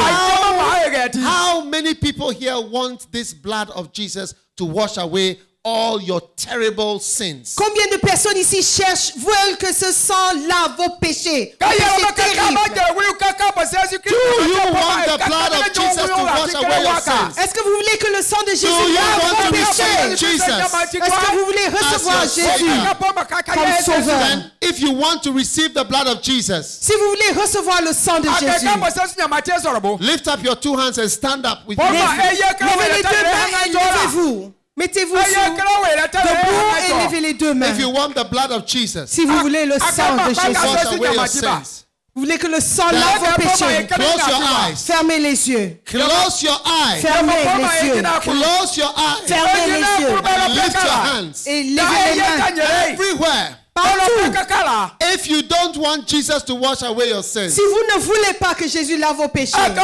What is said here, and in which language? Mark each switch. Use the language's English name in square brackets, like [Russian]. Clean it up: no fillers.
[English] How many people here want this blood of Jesus to wash away all your terrible sins. [French] Combien de personnes ici cherchent, veulent que ce sang lave vos péchés? [English] Do you want the blood of Jesus to wash away your sins? [French] Est-ce que vous voulez que le sang de Jésus lave vos péchés? Est-ce que vous voulez recevoir Jésus comme sauveur? [English] Then, if you want to receive the blood of Jesus, [French] si vous voulez recevoir le sang de Jésus, [English] lift up your two hands and stand up with me. [French] Mettez-vous debout et levez les deux mains. [English] If you want the blood of Jesus, [French] si vous voulez le sang de Jésus, vous voulez que le sang lave vos péchés. [English] Close your eyes. [French] Fermez les yeux. [English] Close your eyes. [French] Fermez les yeux. [English] Close your eyes. [French] Fermez les yeux. [English] Lift your hands. [French] Et levez les mains. [English] Everywhere. If you don't want Jesus to wash away your sins, [French] si vous ne voulez pas que Jésus lave vos péchés,